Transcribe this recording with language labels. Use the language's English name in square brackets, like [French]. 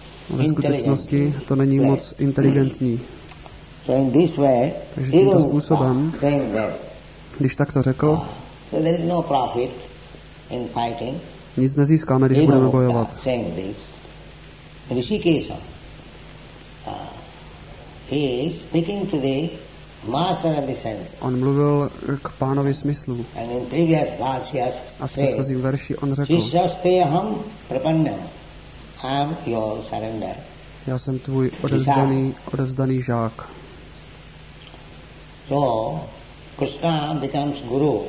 [Czech] Ve skutečnosti to není moc inteligentní. [English] So in this way, [Czech] takže tímto způsobem, když takto řekl, [English] so there is no profit in fighting, [Czech] nic nezískáme, když budeme bojovat. [English] Rishikesha, he is speaking to the master of the sense. [Czech] On mluvil k pánovi smyslu. [English] And in previous verse he has [Czech] a v předchozím verši on řekl, [Sanskrit] Shishaste aham prapannam, [English] I am your surrender. [Czech] Já jsem tvůj odevzdaný žák. [English] So, Krishna becomes guru.